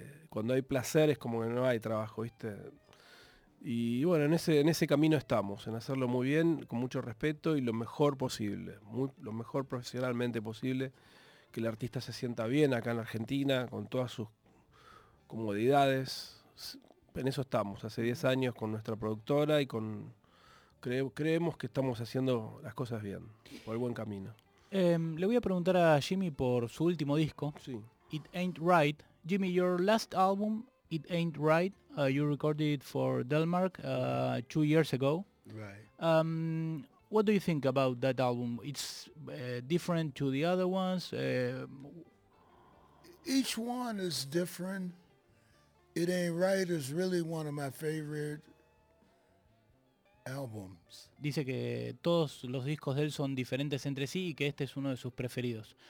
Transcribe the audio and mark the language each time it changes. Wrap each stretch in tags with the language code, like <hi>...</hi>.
<es>Cuando hay placer es como que no hay trabajo, ¿viste? Y bueno, en ese camino estamos, en hacerlo muy bien, con mucho respeto y lo mejor posible, lo mejor profesionalmente posible, que el artista se sienta bien acá en la Argentina, con todas sus comodidades. En eso estamos, hace 10 años con nuestra productora y con... Creemos que estamos haciendo las cosas bien, por el buen camino. Le voy a preguntar a Jimmy por su último disco. Sí.</es> <en>It Ain't Right. Jimmy, your last album, It Ain't Right, you recorded for Delmark 2 years ago. Right. What do you think about that album? It's different to the other ones? Each one is different. It Ain't Right is really one of my favorite albums.</en> <es>Dice que todos los discos de él son diferentes entre sí y que este es uno de sus preferidos.</es>